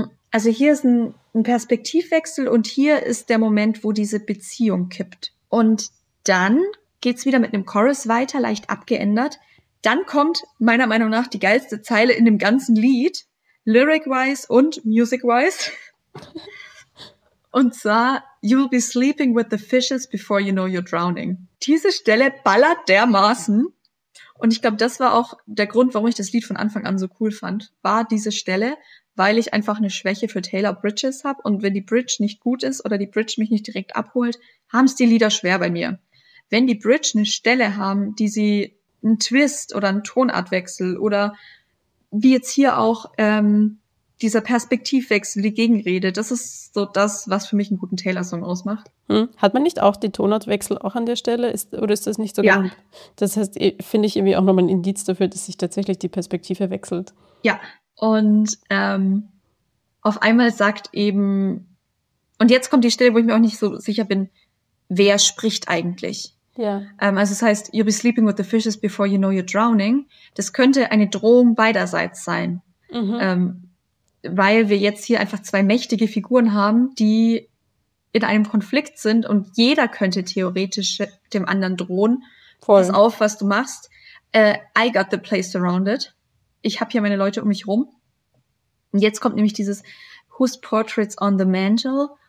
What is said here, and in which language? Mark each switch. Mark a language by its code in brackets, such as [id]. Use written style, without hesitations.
[de] Also hier ist ein Perspektivwechsel und hier ist der Moment, wo diese Beziehung kippt. Und dann geht's wieder mit einem Chorus weiter, leicht abgeändert. Dann kommt meiner Meinung nach die geilste Zeile in dem ganzen Lied, lyric-wise und music-wise. Und zwar, [en] you'll be sleeping with the fishes before you know you're drowning. [de] Diese Stelle ballert dermaßen. Und ich glaube, das war auch der Grund, warum ich das Lied von Anfang an so cool fand, war diese Stelle, weil ich einfach eine Schwäche für Taylor Bridges habe. Und wenn die Bridge nicht gut ist oder die Bridge mich nicht direkt abholt, haben es die Lieder schwer bei mir. Wenn die Bridge eine Stelle haben, die sie einen Twist oder einen Tonartwechsel oder wie jetzt hier auch dieser Perspektivwechsel, die Gegenrede, das ist so das, was für mich einen guten Taylor-Song ausmacht. Hm. Hat man nicht auch die Tonartwechsel auch an der Stelle? Oder ist das nicht so? Ja. Das heißt, finde ich irgendwie auch nochmal ein Indiz dafür, dass sich tatsächlich die Perspektive wechselt. Ja, und auf einmal sagt eben, und jetzt kommt die Stelle, wo ich mir auch nicht so sicher bin, wer spricht eigentlich? Ja. Also es heißt, [en] you'll be sleeping with the fishes before you know you're drowning. [de] Das könnte eine Drohung beiderseits sein. Mhm. Weil wir jetzt hier einfach zwei mächtige Figuren haben, die in einem Konflikt sind und jeder könnte theoretisch dem anderen drohen. Voll. Pass auf, was du machst. [en] I got the place surrounded. [de] Ich habe hier meine Leute um mich rum. Und jetzt kommt nämlich dieses [en] whose portraits on the mantle?